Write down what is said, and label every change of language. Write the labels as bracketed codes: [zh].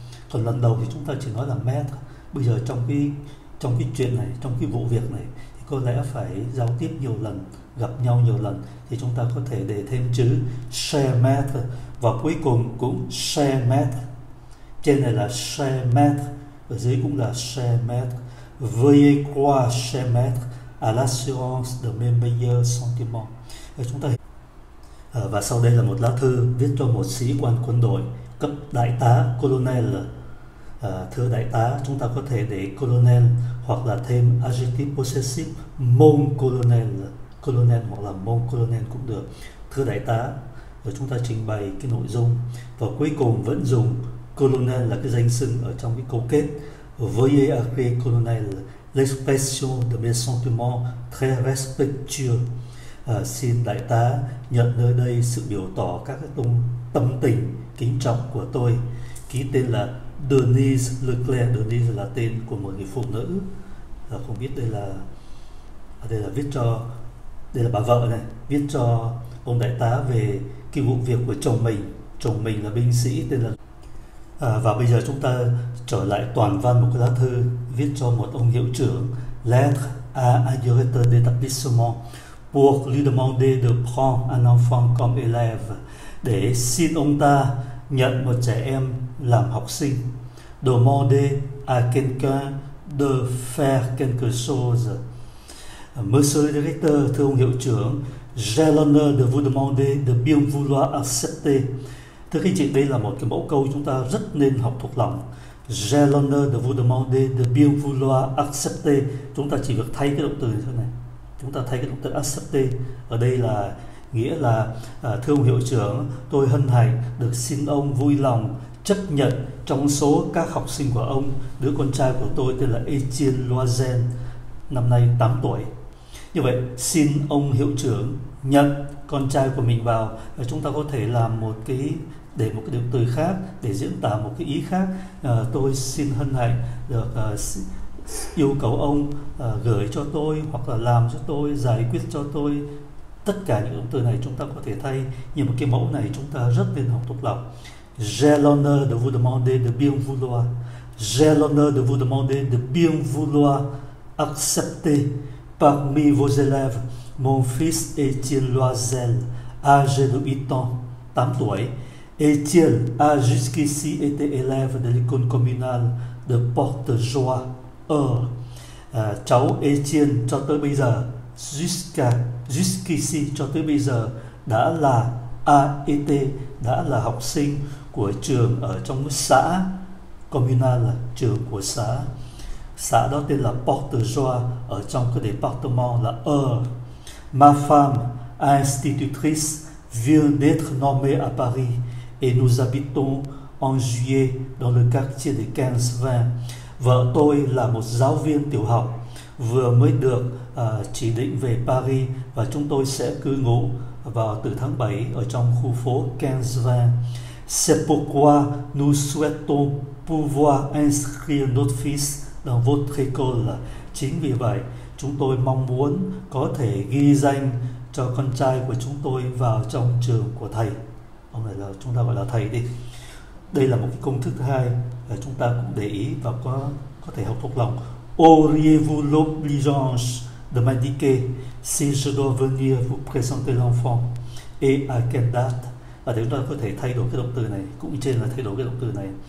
[vi] Còn lần đầu thì chúng ta chỉ nói là Maître. Bây giờ trong cái chuyện này, trong cái vụ việc này thì có lẽ phải giao tiếp nhiều lần, gặp nhau nhiều lần, thì chúng ta có thể để thêm chữ Cher Maître và cuối cùng cũng Cher Maître. Trên này là Cher Maître, ở dưới cũng là Cher Maître. [fr] Veuillez croire Cher Maître à l'assurance de mes meilleurs sentiments. [vi] Chúng ta và sau đây là một lá thư viết cho một sĩ quan quân đội cấp đại tá, colonel. Thưa đại tá, chúng ta có thể để colonel hoặc là thêm adjective possessive mon colonel, colonel hoặc là mon colonel cũng được. Thưa đại tá, rồi chúng ta trình bày cái nội dung và cuối cùng vẫn dùng colonel là cái danh xưng ở trong cái câu kết. [fr] Veuillez agréer colonel l'expression de mes sentiments très respectueux. [vi] Xin đại tá nhận nơi đây sự biểu tỏ các tâm tình kính trọng của tôi. Ký tên là Denise Leclerc. Denise là tên của một người phụ nữ. Không biết đây là viết cho Đây là bà vợ này viết cho ông đại tá về cái vụ việc của chồng mình. Chồng mình là binh sĩ tên là và bây giờ chúng ta trở lại toàn văn một cái lá thư viết cho một ông hiệu trưởng. [fr] Lettre à directeur d'établissement pour lui demander de prendre un enfant comme élève, [vi] để xin ông ta nhận một trẻ em làm học sinh. [fr] Demander à quelqu'un de faire quelque chose. Monsieur le directeur, [vi] thưa ông hiệu trưởng, [fr] j'ai l'honneur de vous demander de bien vouloir accepter. [vi] Thưa anh chị, đây là một cái mẫu câu chúng ta rất nên học thuộc lòng. [fr] J'ai l'honneur de vous demander de bien vouloir accepter. [vi] Chúng ta chỉ việc thay cái động từ như thế này. Chúng ta thay cái động từ accepter. Ở đây là nghĩa là thưa ông hiệu trưởng, tôi hân hạnh được xin ông vui lòng chấp nhận trong số các học sinh của ông, đứa con trai của tôi tên là Etienne Loisel, năm nay 8 tuổi. Như vậy, xin ông hiệu trưởng nhận con trai của mình vào. Chúng ta có thể làm một cái để một cái động từ khác để diễn tả một cái ý khác. Tôi xin hân hạnh được yêu cầu ông gửi cho tôi hoặc là làm cho tôi, giải quyết cho tôi. Tất cả những động từ này chúng ta có thể thay, nhưng mà cái mẫu này chúng ta rất nên học thuộc lòng. [fr] J'ai l'honneur de vous demander de bien vouloir. J'ai l'honneur de vous demander de bien vouloir accepter parmi vos élèves mon fils Étienne Loisel, âgé de 8 ans, [vi] 8 tuổi. [fr] Étienne a jusqu'ici été élève de l'école communale de Porte-Joie. [vi] Or, cháu Étienne cho tới bây giờ, jusqu'ici cho tới bây giờ đã là AET, đã là học sinh của trường ở trong xã Comuna, là trường của xã. Xã đó tên là Porte-Joie, ở trong cái département là Eure. [fr] Ma femme, institutrice, vient d'être nommée à Paris et nous habitons en juillet dans le quartier de 15-20. [vi] Vợ tôi là một giáo viên tiểu học, vừa mới được chỉ định về Paris và chúng tôi sẽ cư ngụ vào từ tháng 7 ở trong khu phố 15-20. [fr] C'est pourquoi nous souhaitons pouvoir inscrire notre fils dans votre école. [vi] Chính vì vậy, chúng tôi mong muốn có thể ghi danh cho con trai của chúng tôi vào trong trường của thầy. Ông này là chúng ta gọi là thầy đi. Đây là một cái công thức thứ hai là chúng ta cũng để ý và có thể học thuộc lòng. [fr] Auriez-vous l'obligeance de m'indiquer si je dois venir vous présenter l'enfant et à quelle date? [vi] Và chúng ta có thể thay đổi cái động từ này, cũng trên là thay đổi cái động từ này.